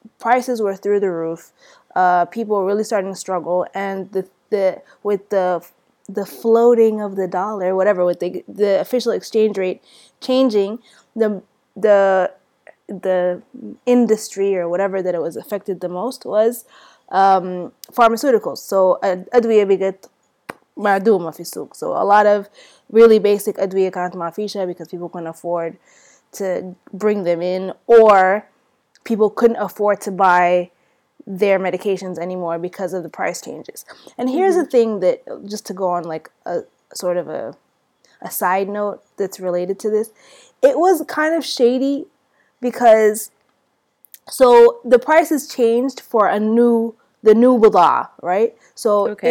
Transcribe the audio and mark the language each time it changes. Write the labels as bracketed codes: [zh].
[en] Prices were through the roof. People were really starting to struggle, and with the floating of the dollar, whatever, with the official exchange rate changing, the industry or whatever that it was affected the most was pharmaceuticals. [ar] So أدوية بقت معدومة في السوق. [en] So a lot of really basic [ar] أدوية كانت معفيشة [en] because people couldn't afford to bring them in, or people couldn't afford to buy their medications anymore because of the price changes. And here's the thing that, just to go on like a sort of a side note that's related to this, it was kind of shady because, so the prices changed for the new blah, right? So okay.